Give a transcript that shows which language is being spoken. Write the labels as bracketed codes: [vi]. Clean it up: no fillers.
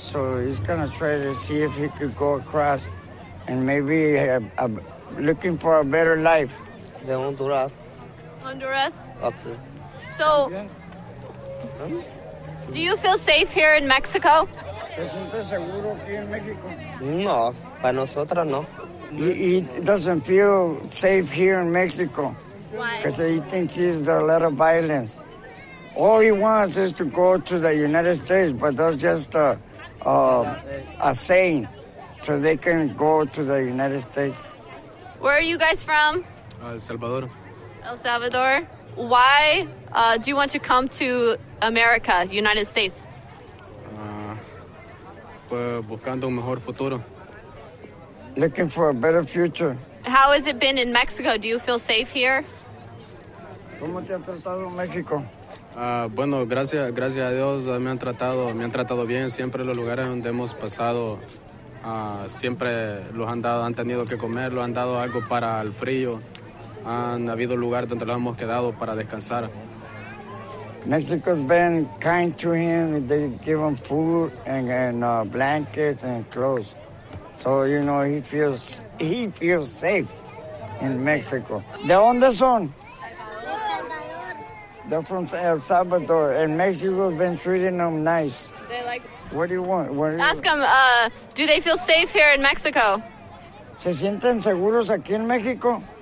[en] So he's gonna try to see if he could go across, and maybe looking for a better life. The Honduras. Honduras. Texas. So, do you feel safe here in Mexico? [es] ¿Te sientes seguro aquí en México? No, para nosotros no. [en] He doesn't feel safe here in Mexico. Why? Because he thinks there's a lot of violence. All he wants is to go to the United States, but that's just a saying, so they can go to the United States. Where are you guys from? El Salvador. El Salvador. Why do you want to come to America, United States? [es] Buscando un mejor futuro. [en] Looking for a better future. How has it been in Mexico? Do you feel safe here? [es] ¿Cómo te ha tratado México? Bueno, gracias a Dios me han tratado bien. Siempre los lugares donde hemos pasado, siempre los han dado, han tenido que comer, los han dado algo para el frío. Han habido lugares donde los hemos quedado para descansar. [en] Mexico's been kind to him. They give him food and blankets and clothes. So, you know, he feels safe in Mexico. [es] ¿De dónde son? [en] They're from El Salvador, and Mexico's been treating them nice. They like. What do you want? Do they feel safe here in Mexico? [es] ¿Se sienten seguros aquí en México?